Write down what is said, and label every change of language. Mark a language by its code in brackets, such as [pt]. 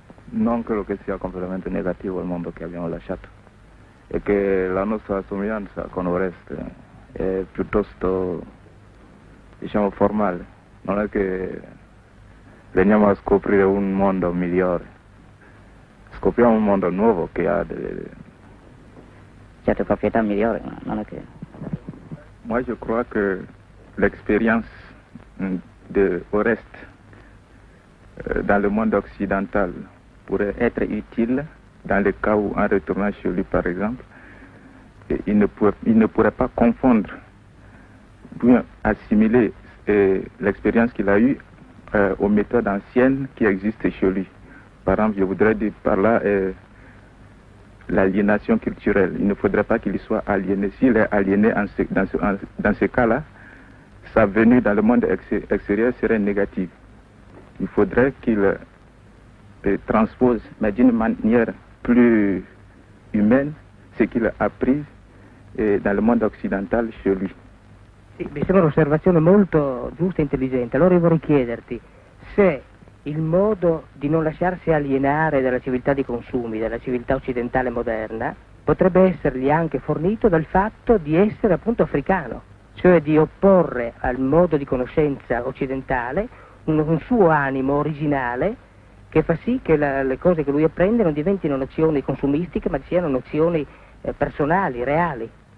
[it] Non credo che sia completamente negativo il mondo che abbiamo lasciato. E che la nostra somiglianza con Oreste è piuttosto, diciamo, formale. Non è che veniamo a scoprire un mondo migliore. Scopriamo un mondo nuovo che ha delle... Certo, proprietà migliore, ma non è che... [fr] Moi, je crois que l'expérience de Oreste dans le monde occidental pourrait être utile dans le cas où en retournant chez lui par exemple il ne pourrait pas confondre bien assimiler l'expérience qu'il a eue aux méthodes anciennes qui existent chez lui. Par exemple, je voudrais dire par là l'aliénation culturelle. Il ne faudrait pas qu'il soit aliéné. S'il est aliéné dans ce cas-là, sa venue dans le monde extérieur serait négative. Il faudrait qu'il transpose, mais d'une manière plus humaine, ce qu'il a appris dans le monde occidental chez lui. [it] Sì, mi sembra un'osservazione molto giusta e intelligente. Allora io vorrei chiederti se il modo di non lasciarsi alienare dalla civiltà di consumi, dalla civiltà occidentale moderna, potrebbe essergli anche fornito dal fatto di essere appunto africano, cioè di opporre al modo di conoscenza occidentale un suo animo originale che fa sì che le cose che lui apprende non diventino nozioni consumistiche ma siano nozioni personali, reali.